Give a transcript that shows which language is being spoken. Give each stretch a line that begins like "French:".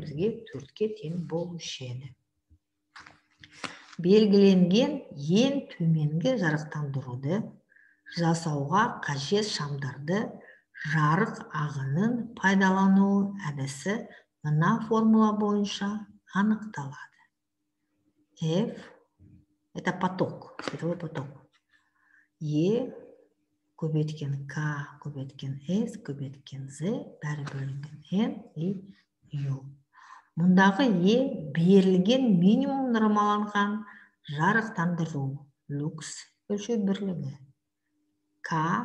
Kazakh: Бізге 4-ке тең болушы еді. Белгіленген ең төменгі жарықтандыруды жасауға қажет шамдарды жарық ағынын пайдалану әдісі мына формула бойынша анықталады.
Russian: F – это поток, световой поток.
Kazakh: E – көбеткен K, көбеткен S, көбеткен Z, бәрі бөлінген N
Russian: и
Kazakh: U. Мұндағы E берілген минимум нормаланған жарықтандыру люкс өлшеу бірлігі. K